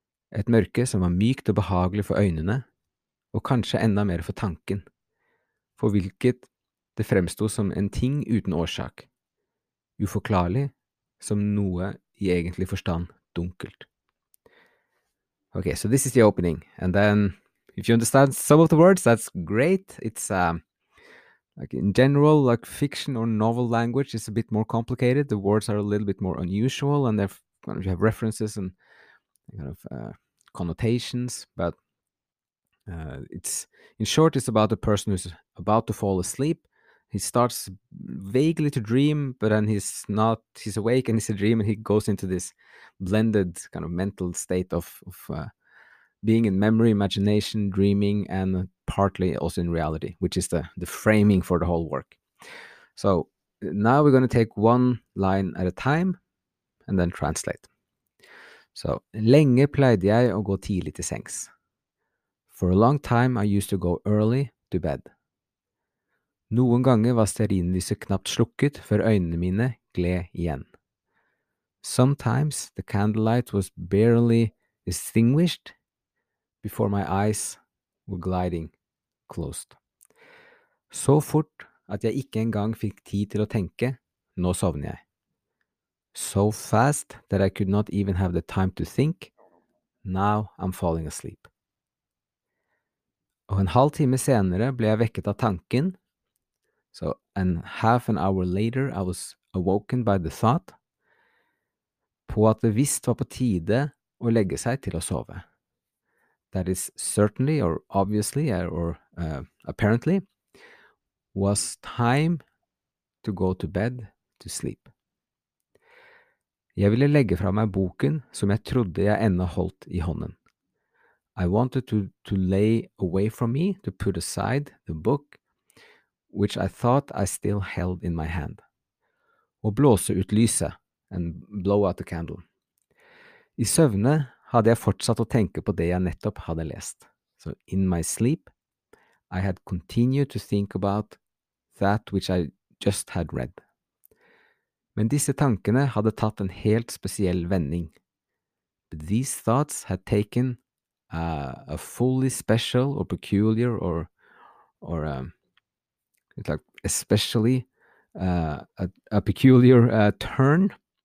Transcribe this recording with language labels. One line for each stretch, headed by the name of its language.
Norwegian: Et mørke som var mykt og behagelig for øynene, og kanskje enda mer for tanken. For hvilket det fremsto som en ting uten årsak. Uforklarlig, som noe i egentlig forstand dunkelt.
English: Okay, so this is the opening. And then, if you understand some of the words, that's great. It's like in general, like fiction or novel language is a bit more complicated. The words are a little bit more unusual, and you have references and kind of connotations, but it's about a person who's about to fall asleep. He starts vaguely to dream, but then he's awake and it's a dream, and he goes into this blended kind of mental state of being in memory, imagination, dreaming, and partly also in reality, which is the framing for the whole work. So now we're going to take one line at a time and then translate. So,
Norwegian: lenge pleide jeg å gå tidlig til sengs.
English: For a long time I used to go early to bed.
Norwegian: Noen ganger var stearinlyset knapt slukket før øynene mine gled igjen.
English: Sometimes the candlelight was barely extinguished before my eyes were gliding closed.
Norwegian: Så fort at jeg ikke engang fikk tid til å tenke, nå sovner jeg.
English: So fast that I could not even have the time to think, now I'm falling asleep.
Norwegian: Og en halv time senere ble jeg vekket av tanken.
English: So, and half an hour later, I was awoken by the thought.
Norwegian: På at det visst var på tide å legge seg til å sove.
English: That is certainly, or obviously, apparently, was time to go to bed to sleep.
Norwegian: Jeg ville legge fra meg boken som jeg trodde jeg ennå holdt I hånden.
English: I wanted to lay away from me, to put aside the book, which I thought I still held in my hand.
Norwegian: Og blåse ut lyset,
English: and blow out the candle.
Norwegian: I søvne hadde jeg fortsatt å tenke på det jeg nettopp hadde lest.
English: So in my sleep, I had continued to think about that which I just had read.
Norwegian: Men disse tankene hadde tatt en helt spesiell vending.
English: But these thoughts had taken a fully special or peculiar turn.